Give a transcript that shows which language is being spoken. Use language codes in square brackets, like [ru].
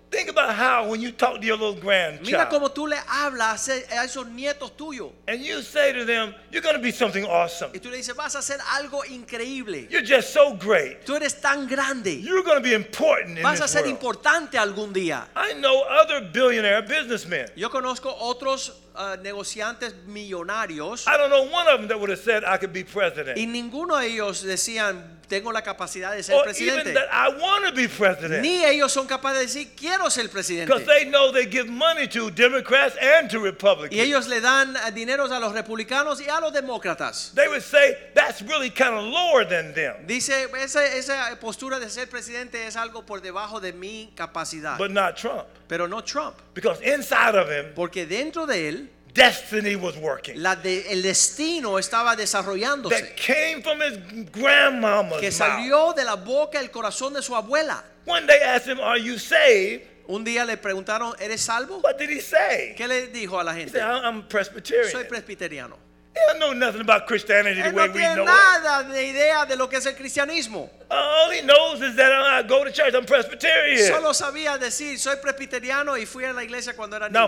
[en] Think about how when you talk to your little grandchild. [es] Mira cómo tú le hablas a esos nietos tuyos. [en] And you say to them, you're going to be something awesome. [es] Y tú le dices, vas a ser algo increíble. [en] You're just so great. [es] Tú eres tan grande. [en] You're going to be important [es] vas [en] in this [es] a ser [en] world. [es] Importante algún día. [en] I know other billionaire businessmen. [es] Yo conozco otros negociantes millonarios. [en] I don't know one of them that would have said I could be president. [es] Y ninguno de ellos decían tengo la capacidad de ser presidente. [en] Or even that I want to be president. [es] Ni ellos son capaces de decir quiero ser presidente. [en] Because they know they give money to Democrats and to Republicans. [es] Y ellos le dan dineros a los republicanos y a los demócratas. [en] They would say that's really kind of lower than them. [es] Dice esa postura de ser presidente es algo por debajo de mi capacidad. [en] But not Trump. [es] Pero no Trump. [en] Because inside of him. [es] Porque dentro de él. [en] Destiny was working. [es] El destino estaba desarrollándose. [en] That came from his grandmama's mouth. [es] Que salió de la boca el corazón de su abuela. [en] One day asked him, "Are you saved?" [es] Un día le preguntaron, "¿Eres salvo?" [en] What did he say? [es] ¿Qué le dijo a la gente? [en] He said, "I'm Presbyterian." [es] Soy presbiteriano. [en] He don't know nothing about Christianity the way we know it. [es] Él no tiene nada de idea de lo que es el cristianismo. [en] All he knows is that I go to church. I'm Presbyterian. [es] Solo sabía decir soy presbiteriano y fui a la iglesia cuando era niño.